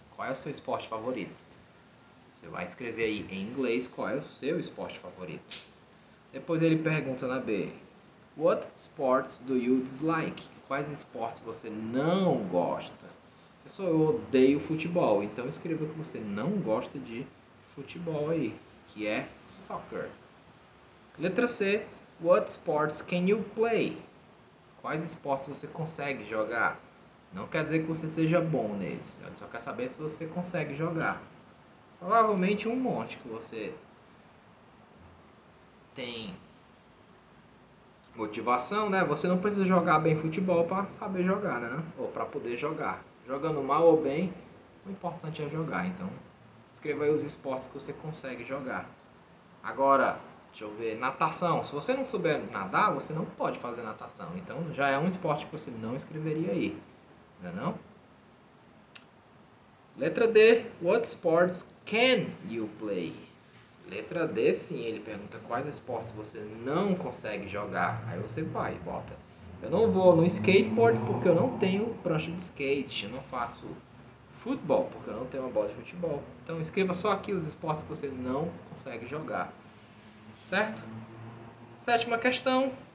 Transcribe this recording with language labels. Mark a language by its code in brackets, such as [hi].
[pt] Qual é o seu esporte favorito? Você vai escrever aí em inglês qual é o seu esporte favorito. Depois ele pergunta na B: [en] What sports do you dislike? [pt] Quais esportes você não gosta? Pessoal, eu odeio futebol, então escreva que você não gosta de futebol aí. Que é soccer. Letra C. [en] What sports can you play? [pt] Quais esportes você consegue jogar? Não quer dizer que você seja bom neles. Eu só quero saber se você consegue jogar. Provavelmente um monte que você tem motivação, né? Você não precisa jogar bem futebol para saber jogar, né? Ou para poder jogar. Jogando mal ou bem, o importante é jogar. Então, escreva aí os esportes que você consegue jogar. Agora, deixa eu ver, natação. Se você não souber nadar, você não pode fazer natação. Então, já é um esporte que você não escreveria aí, não é não? Letra D, [en] what sports can you play? [pt] Letra D, sim, ele pergunta quais esportes você não consegue jogar. Aí você vai, bota. Eu não vou no skateboard porque eu não tenho prancha de skate. Eu não faço futebol porque eu não tenho uma bola de futebol. Então escreva só aqui os esportes que você não consegue jogar. Certo? Sétima questão.